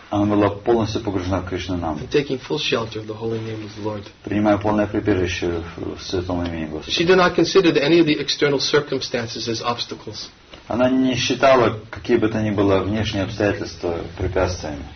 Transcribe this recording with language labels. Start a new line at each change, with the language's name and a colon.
Russian: Она была полностью погружена в Кришна Нам.
English: Taking full shelter of the holy name of the Lord.
Russian: Принимая полное прибежище в святом имени Господа.
English: She did not consider any of the external circumstances as obstacles.
Russian: Она не считала какие бы то ни было внешние обстоятельства препятствиями.